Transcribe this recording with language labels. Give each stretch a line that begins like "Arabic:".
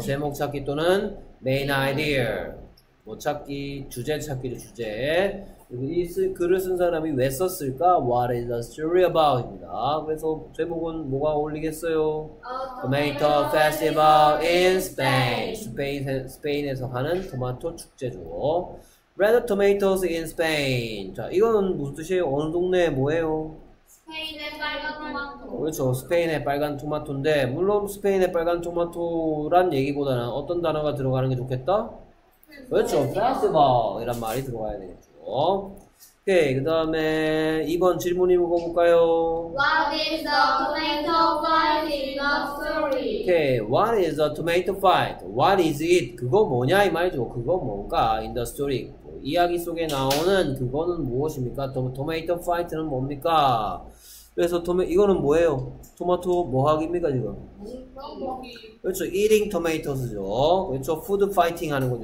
Korean: 제목 찾기 또는
English: main idea.
Korean: 뭐 찾기, 주제 찾기로 주제. 이 글을 쓴 사람이 왜 썼을까?
English: What is the story about?
Korean: 입니다. 그래서 제목은 뭐가 어울리겠어요?
English: Tomato Festival in Spain.
Korean: 스페인에서 하는 토마토 축제죠.
English: Red tomatoes in Spain.
Korean: 자, 이거는 무슨 뜻이에요? 어느 동네에 뭐예요? 스페인의 빨간 토마토. 그렇죠. 스페인의 빨간 토마토인데, 물론 스페인의 빨간 토마토란 얘기보다는 어떤 단어가 들어가는 게 좋겠다? 그렇죠. Festival이란 말이 들어가야 되겠죠. 오케이, 그 다음에 2번 질문이 묶어볼까요?
English: What is the tomato fight in the story? 오케이, what is the tomato fight? What is it?
Korean: 그거 뭐냐 이 말이죠. 그거 뭔가
English: in the story.
Korean: 이야기 속에 나오는 그거는 무엇입니까? Tomato fight는 뭡니까? 그래서 이거는 뭐예요? 토마토 뭐하기입니까 지금? 그렇죠.
English: Eating tomatoes
Korean: 죠. 그렇죠.
English: Food fighting
Korean: 하는 거죠.